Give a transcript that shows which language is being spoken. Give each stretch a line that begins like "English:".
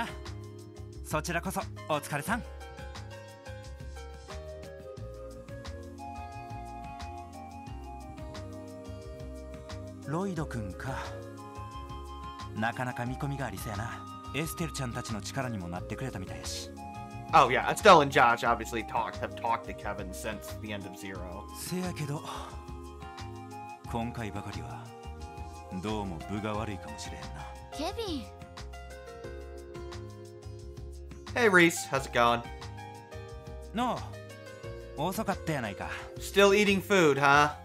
Japanese: あ、そちらこそお疲れさん。ロイド君か。なかなか見込みがありそうやな。エステルちゃんたちの力にもなってくれたみたいし。
English: Oh yeah, Estelle and Josh obviously have talked to Kevin since the end of Zero.
Japanese: せやけど、今回ばかりはどうも分が悪いかもしれんな。
English: Kevin. Hey Reese, how's it going?
Japanese: No, 遅かったやないか。
English: Still eating food, huh?